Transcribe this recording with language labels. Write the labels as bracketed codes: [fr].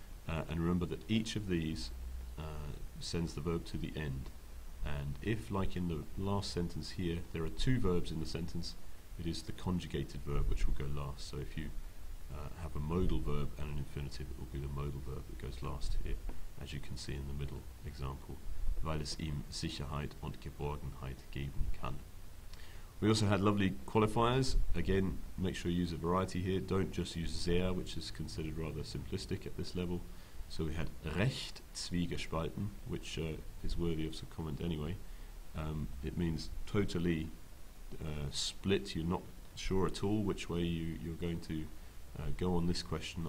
[en] And remember that each of these sends the verb to the end. And if, like in the last sentence here, there are two verbs in the sentence, it is the conjugated verb which will go last. So if you have a modal verb and an infinitive, it will be the modal verb that goes last here, as you can see in the middle example. [de] Weil es ihm Sicherheit und Geborgenheit geben kann. [en] We also had lovely qualifiers. Again, make sure you use a variety here. Don't just use sehr, which is considered rather simplistic at this level. So we had [de] recht zwiegespalten, [en] which is worthy of some comment anyway. It means totally split. You're not sure at all which way you're going to go on this question.